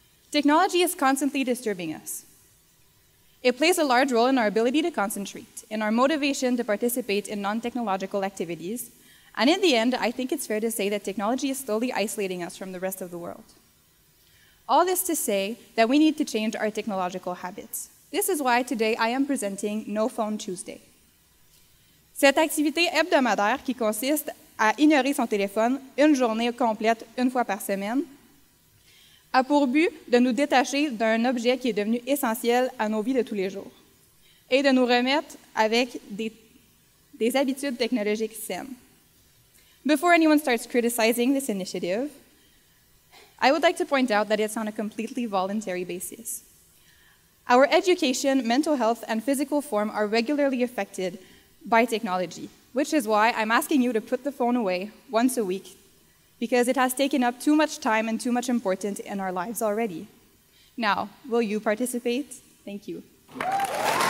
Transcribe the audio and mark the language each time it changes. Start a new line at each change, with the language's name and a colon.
English: Technology is constantly disturbing us. It plays a large role in our ability to concentrate, in our motivation to participate in non-technological activities, and in the end, I think it's fair to say that technology is slowly isolating us from the rest of the world. All this to say that we need to change our technological habits. This is why today I am presenting No Phone Tuesday.
French: Cette activité hebdomadaire qui consiste à ignorer son téléphone une journée complète une fois par semaine a pour but de nous détacher d'un objet qui est devenu essentiel à nos vies de tous les jours et de nous remettre avec des habitudes technologiques saines.
English: Before anyone starts criticizing this initiative, I would like to point out that it's on a completely voluntary basis. Our education, mental health, and physical form are regularly affected by technology, which is why I'm asking you to put the phone away once a week, because it has taken up too much time and too much importance in our lives already. Now, will you participate? Thank you.